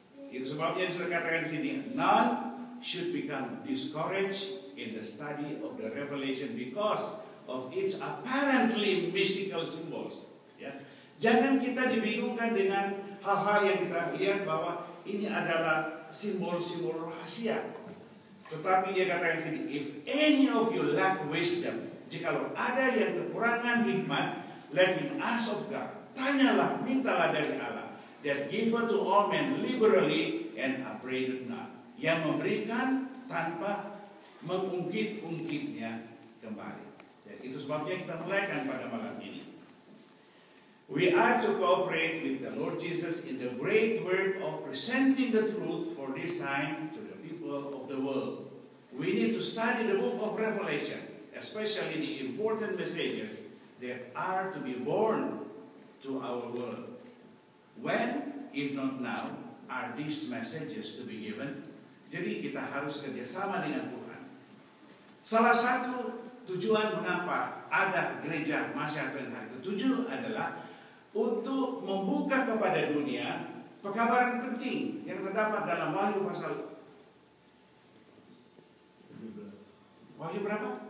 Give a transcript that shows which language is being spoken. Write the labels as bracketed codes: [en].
[id] Itu sebabnya saya katakan di sini, [en] none should become discouraged in the study of the revelation because of its apparently mystical symbols. [id] Ya. Jangan kita dibingungkan dengan hal-hal yang kita lihat bahwa ini adalah simbol-simbol rahasia. Tetapi dia katakan di sini, [en] if any of you lack wisdom, [id] jikalau ada yang kekurangan hikmat, [en] let him ask of God. [id] Tanyalah, mintalah dari Allah. [en] That given to all men liberally and upbraided not. [id] Yang memberikan tanpa mengungkit-ungkitnya kembali. Dan itu sebabnya kita mulaikan pada malam ini. [en] We are to cooperate with the Lord Jesus in the great work of presenting the truth for this time to the people of the world. We need to study the book of Revelation, especially the important messages that are to be born to our world. When, if not now, are these messages to be given? [id] Jadi kita harus kerjasama dengan Tuhan. Salah satu tujuan mengapa ada gereja Masih Advent hari ketujuh adalah untuk membuka kepada dunia pekabaran penting yang terdapat dalam Wahyu pasal Wahyu berapa?